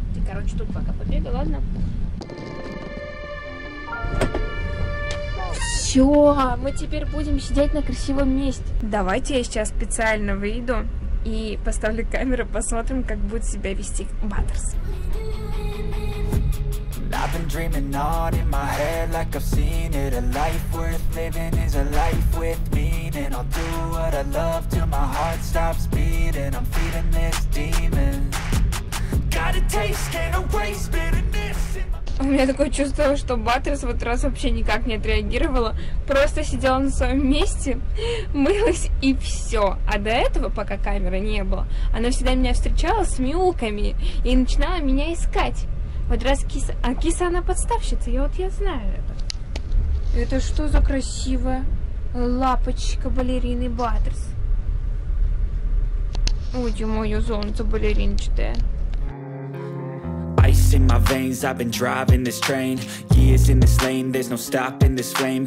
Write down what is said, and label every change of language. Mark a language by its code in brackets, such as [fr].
[ru] Ты, короче, тут пока побегай, ладно? Все, мы теперь будем сидеть на красивом месте. Давайте я сейчас специально выйду и поставлю камеру, посмотрим, как будет себя вести Баттерс. [en] I've been dreaming on in my head like I've seen it. A life worth living is a life with meaning. I'll do what I love till my heart stops beating. I'm feeding this demon. Got a taste, can't erase bitterness. [ru] У меня такое чувство, что Баттерс в этот раз вообще никак не отреагировала. Просто сидела на своем месте, мылась и все. А до этого, пока камеры не было, она всегда меня встречала с мяуками и начинала меня искать. Вот раз киса... А киса она подставщица, и вот я знаю это. Это что за красивая лапочка балерины Баттерс? Ой, мое золото балериночное. [en] Ice in my veins, I've been driving this train. Years in this lane, there's no stopping this flame.